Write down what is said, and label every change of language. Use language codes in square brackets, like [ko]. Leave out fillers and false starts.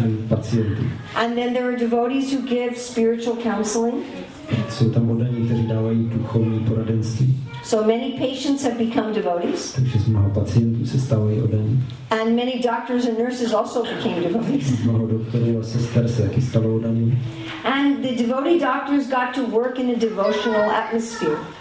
[en] And then there are devotees who give spiritual counseling. [cs] Jsou tam oddaní, kteří dávají duchovní poradenství. [en] So many patients have become devotees. [cs] Takže z mnoha pacientů se stávají oddaní. [en] And many doctors and nurses also became devotees. [cs] Mnoho doktorů a sester se taky stalo oddaní. [en] And the devotee doctors got to work in a devotional atmosphere.